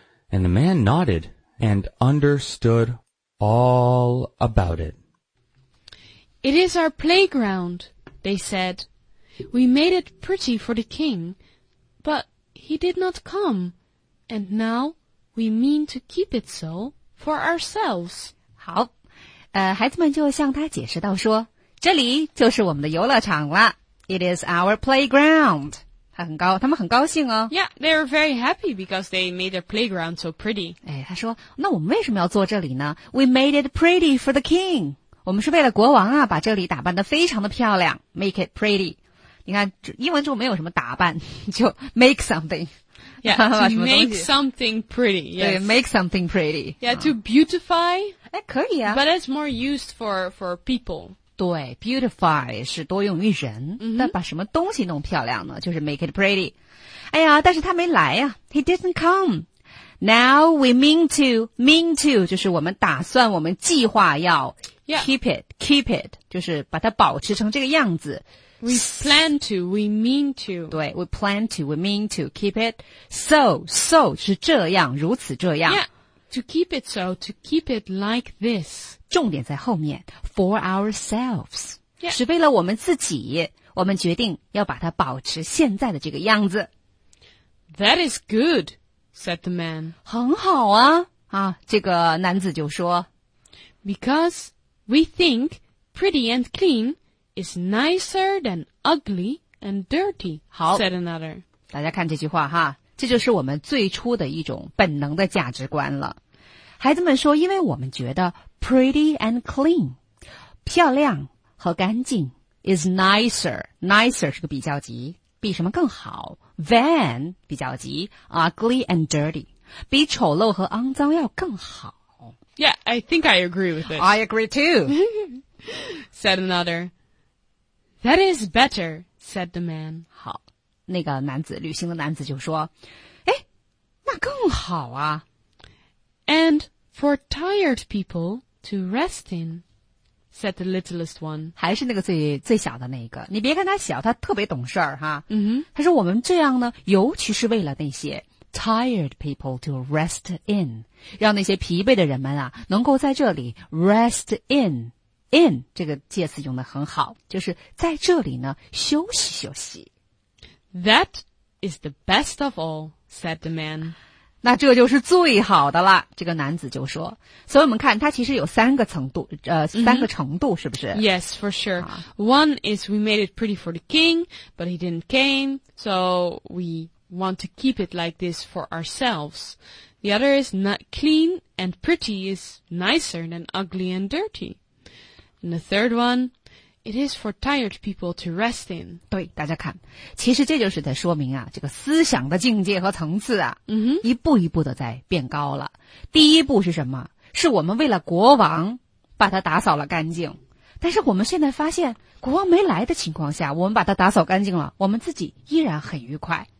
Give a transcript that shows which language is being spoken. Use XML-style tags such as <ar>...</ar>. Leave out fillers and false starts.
<en>And the man nodded and understood all about it. It is our playground, they said. We made it pretty for the king, but he did not come, and now we mean to keep it so for ourselves.</en> <zh>好，孩子们就向他解释到说，这里就是我们的游乐场了。</zh> <en>It is our playground.</en> <zh>他们很高兴哦。</zh> <en>Yeah, they are very happy because they made their playground so pretty.</en> <zh>哎，他说，那我们为什么要坐这里呢 ？</zh> <en>We made it pretty for the king.</en> <zh>我们是为了国王啊，把这里打扮得非常的漂亮 ，</zh> <en>make it pretty.</en> <zh>你看英文就没有什么打扮就</zh> <en>make something</en> <zh>yeah, to make something pretty、yes.</zh> <en>对 make something pretty yeah, to beautify</en> <zh>哎，可以啊</zh> <en>but it's more used for people</en> <zh>对 beautify 是多用于人、 mm-hmm. 但把什么东西弄漂亮呢就是</zh> <en>make it pretty</en> <zh>哎呀但是他没来啊</zh> <en>he didn't come now we mean to</en> <zh>就是我们打算我们计划要</zh> <en>Yeah. Keep it,</en> <zh>就是把它保持成这个样子。</zh> <en>We mean to. 对 ,we plan to, we mean to, keep it.</en> <zh>So, 是这样,如此这样。</zh> <en>Yeah. To keep it so, to keep it like this.</en> <zh>重点在后面 ,</zh> <en>for ourselves. Yeah.</en> <zh>是为了我们自己,我们决定要把它保持现在的这个样子。</zh> <en>That is good, said the man.</en> <zh>很好啊,啊,这个男子就说。</zh> <en>Because we think pretty and clean is nicer than ugly and dirty, said another.</en> <zh>大家看这句话哈,这就是我们最初的一种本能的价值观了。孩子们说,因为我们觉得</zh> <en>pretty and clean,</en> <zh>漂亮和干净</zh> <en>is nicer</en> <zh>是个比较级,比什么更好 than 比较级 ,</zh> <en>ugly and dirty,</en> <zh>比丑陋和肮脏要更好。</zh> <en>Yeah, I think I agree with it. I agree too, said another. That is better, said the man.</en> <zh>好,那个男子,旅行的男子就说,诶,那更好啊。</zh> <en>And for tired people to rest in, said the littlest one.</en> <zh>还是那个最小的那个,你别看他小,他特别懂事儿哈。 Mm-hmm. 他说我们这样呢,尤其是为了那些</zh> <en>Tired people to rest in,</en> <zh>让那些疲惫的人们啊能够在这里 rest in, in 这个介词用得很好，就是在这里呢休息休息。</zh> <en>That is the best of all, said the man.</en> <zh>那这就是最好的了，这个男子就说。所以我们看它其实有三个程度，三个程度是不是？</zh> <en>Yes, for sure. One is we made it pretty for the king, but he didn't came, so we... want to keep it like this for ourselves. The other is not clean and pretty is nicer than ugly and dirty. And the third one, it is for tired people to rest in.</en> <zh>对,大家看,其实这就是在说明啊,这个思想的境界和层次啊,一步一步的在变高了。第一步是什么? 是我们为了国王把它打扫了干净。但是我们现在发现,国王没来的情况下,我们把它打扫干净了,我们自己依然很愉快。</zh>